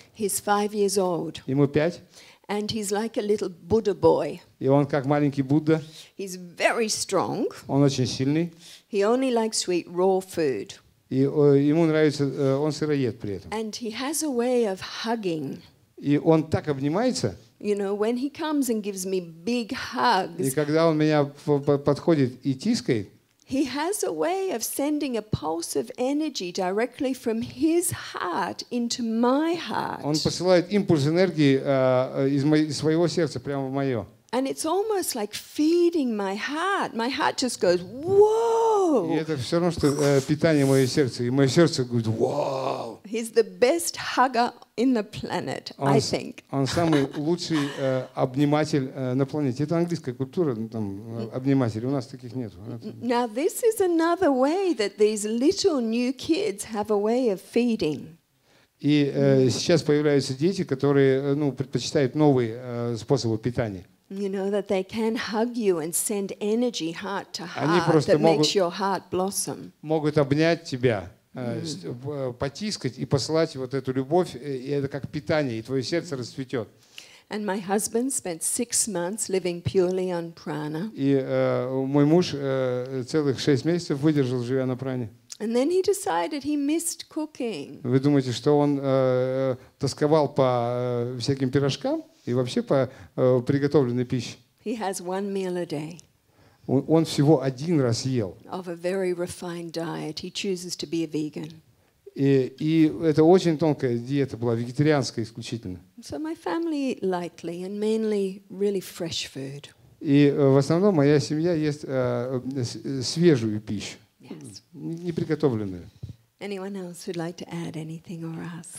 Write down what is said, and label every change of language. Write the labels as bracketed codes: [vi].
[en] He's 5 years old. [ru] Ему 5. [en] And he's like a little Buddha boy. [ru] И он как маленький Будда. [en] He's very strong. [ru] Он очень сильный. [en] He only likes to eat raw food. [ru] И ему нравится, он сыроед при этом. [en] And he has a way of hugging. [ru] И он так обнимается. [en] You know, when he comes and gives me big hugs. [ru] И когда он меня подходит и тискает. [en] He has a way of sending a pulse of energy directly from his heart into my heart. [ru] Он посылает импульс энергии из своего сердца прямо в мое. [en] And it's almost like feeding my heart. My heart just goes, "Whoa!" [ru] И это все равно, что питание моего сердца, и мое сердце говорит, "Wow!" [en] He's the best hugger in the planet, I think. [ru] Он самый лучший обниматель на планете. Это английская культура, там обниматели. У нас таких нет. [en] Now this is another way that these little new kids have a way of feeding. [ru] И сейчас появляются дети, которые, ну, предпочитают новые способы питания. [en] You know that they can hug you and send energy heart to heart that makes your heart blossom. [ru] Могут обнять тебя, потискать и послать вот эту любовь, и это как питание, и твое сердце расцветет. [en] And my husband spent 6 months living purely on prana. [ru] И мой муж целых 6 месяцев выдержал, живя на пране. [en] And then he decided he missed cooking. [ru] Вы думаете, что он тосковал по всяким пирожкам? И вообще по приготовленной пище. [en] He has one meal a day. [ru] Он всего один раз ел. [en] Of a very refined diet. He chooses to be a vegan. [ru] И это очень тонкая диета была, вегетарианская исключительно. [en] So my family eat lightly and mainly really fresh food. [ru] И в основном моя семья ест свежую пищу. [en] Yes. [ru] Не приготовленную. [en] Anyone else would like to add anything or ask?